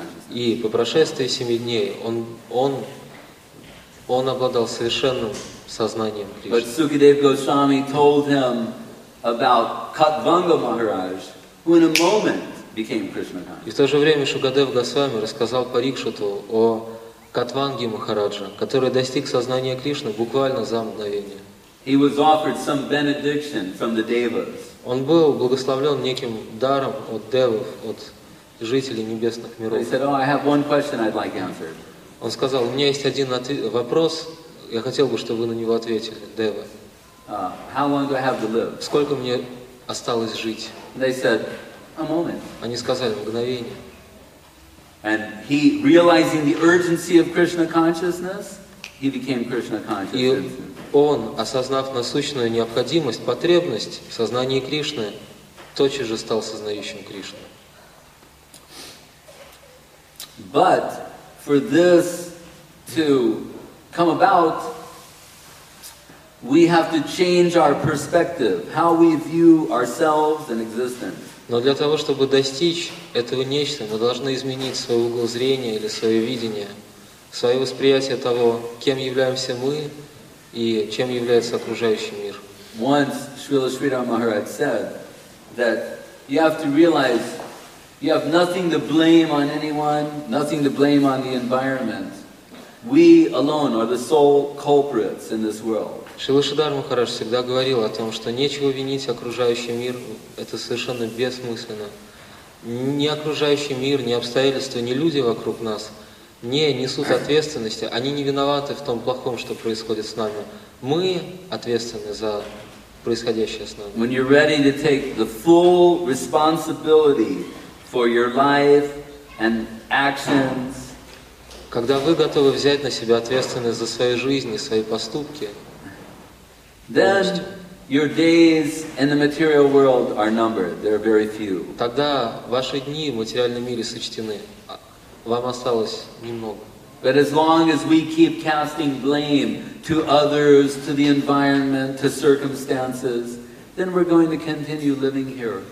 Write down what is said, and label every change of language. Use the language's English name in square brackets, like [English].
[Russian] И по прошествии 7 дней он обладал совершенным сознанием Кришны. [English] But Sukadeva Goswami told him about Katvanga Maharaj, who in a moment became Krishna conscious. [Russian] И в то же время Шукадева Госвами рассказал Парикшиту о Катванге Махараджа, который достиг сознания Кришны буквально за мгновение. [English] He was offered some benediction from the devas. [Russian] Он был благословлен неким даром от девов, от жителей небесных миров. [English] He said, "Oh, I have one question I'd like answered." [Russian] Он сказал, у меня есть один вопрос, я хотел бы, чтобы вы на него ответили, Дева. [English] How long do I have to live? [Russian] Сколько мне осталось жить? [English] They said, a moment. [Russian] Они сказали, мгновение. [English] And he, realizing the urgency of Krishna consciousness, he became Krishna conscious. [Russian] И он, осознав насущную необходимость, потребность в сознании Кришны, тотчас же стал сознающим Кришну. [English] But for this to come about, we have to change our perspective, how we view ourselves and existence. [Russian] Но для того, чтобы достичь этого нечто, мы должны изменить свой угол зрения или свое видение, свое восприятие того, кем являемся мы и чем является окружающий мир. [English] Once Srila Sridhar Maharaj said that you have to realize you have nothing to blame on anyone, nothing to blame on the environment. We alone are the sole culprits in this world. [Russian] Шрила Шридхар Махарадж всегда говорил о том, что нечего винить окружающий мир, это совершенно бессмысленно. Ни окружающий мир, ни обстоятельства, ни люди вокруг нас не несут ответственности, они не виноваты в том плохом, что происходит с нами. Мы ответственны за происходящее с нами. [English] When you're ready to take the full responsibility for your life and actions, [Russian] когда вы готовы взять на себя ответственность за свою жизнь и свои поступки, [English] then your days in the material world are numbered. There are very few. [Russian] Тогда ваши дни в материальном мире сочтены. Вам осталось немного. [English] But as long as we keep casting blame to others, to the environment, to circumstances, then we're going to continue living here.